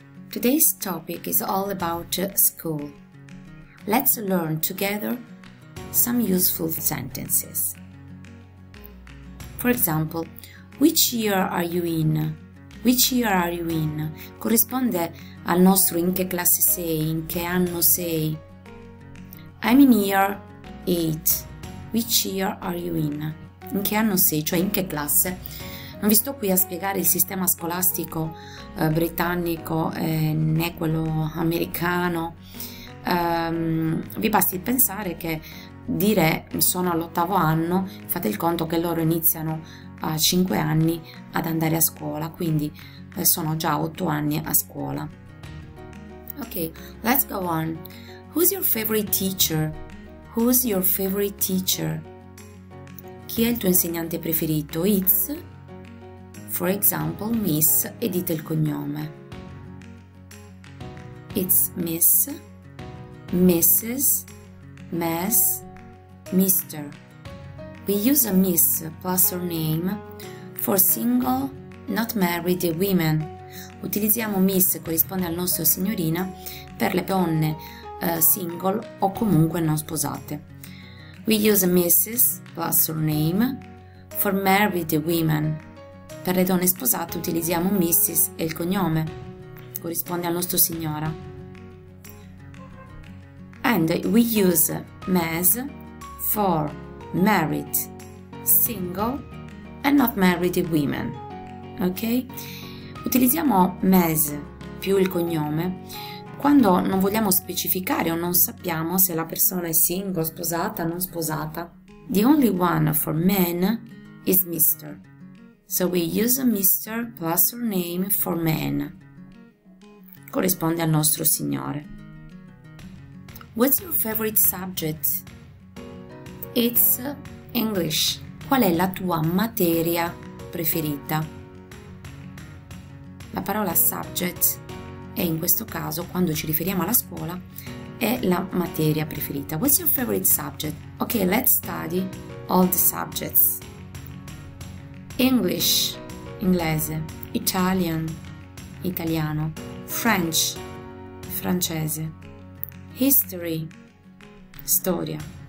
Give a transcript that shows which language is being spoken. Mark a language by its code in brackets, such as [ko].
[en] Today's topic is all about school. Let's learn together some useful sentences. For example, which year are you in? Which year are you in? [it] Corrisponde al nostro in che classe sei, in che anno sei. [en] I'm in year 8. Which year are you in? [it] In che anno sei, cioè in che classe? Non vi sto qui a spiegare il sistema scolastico britannico né quello americano. Vi basti pensare che dire sono all'ottavo anno, fate il conto che loro iniziano a 5 anni ad andare a scuola, quindi sono già 8 anni a scuola. [en] Ok, let's go on. Who's your favorite teacher? Who's your favorite teacher? [it] Chi è il tuo insegnante preferito? [en] It's, for example, Miss, [it] e dite il cognome. [en] It's Miss, Mrs., Miss, Mister. We use a Miss plus surname for single, not married women. [it] Utilizziamo Miss, corrisponde al nostro signorina, per le donne single o comunque non sposate. [en] We use a Mrs. plus surname for married women. [it] Per le donne sposate utilizziamo Mrs. e il cognome, corrisponde al nostro signora. [en] And we use Ms. for married, single and not married women. [it] Ok? Utilizziamo Ms. più il cognome quando non vogliamo specificare o non sappiamo se la persona è single, sposata, non sposata. [en] The only one for men is Mr. So we use Mr. plus surname for men. [it] Corrisponde al nostro signore. [en] What's your favorite subject? It's English. [it] Qual è la tua materia preferita? La parola subject è in questo caso, quando ci riferiamo alla scuola, è la materia preferita. [en] What's your favorite subject? Ok, let's study all the subjects. English, inglese. Italian, italiano. French, francese. History, storia.